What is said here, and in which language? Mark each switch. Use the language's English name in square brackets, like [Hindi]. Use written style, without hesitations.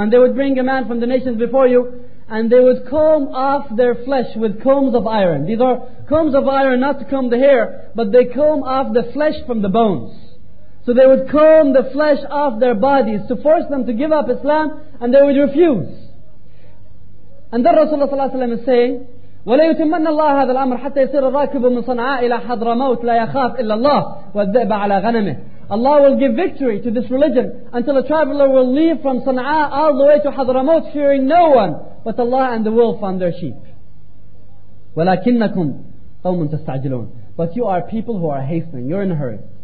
[English] And they would bring a man from the nations before you, and they would comb off their flesh with combs of iron. These are combs of iron, not to comb the hair, but they comb off the flesh from the bones. So they would comb the flesh off their bodies to force them to give up Islam, and they would refuse. And then Rasulullah ﷺ is saying, [Arabic] وَلَيُتِمَّنَّ اللَّهَ هَذَا الْأَمْرَ حَتَّى يَصِيرَ الرَّاكِبُ مِنْ صَنْعَاءَ إِلَىٰ حَضْرَ مَوْتِ لَا يَخَافْ إِلَّا اللَّهِ وَالذِّئْبَ عَلَىٰ غَنَمِهِ. [English] Allah will give victory to this religion until a traveler will leave from Sana'a all the way to Hadramaut, fearing no one but Allah and the wolf on their sheep. [Arabic] وَلَكِنَّكُمْ قَوْمٌ تَسْتَعْجِلُونَ. [English] But you are people who are hastening, you're in a hurry.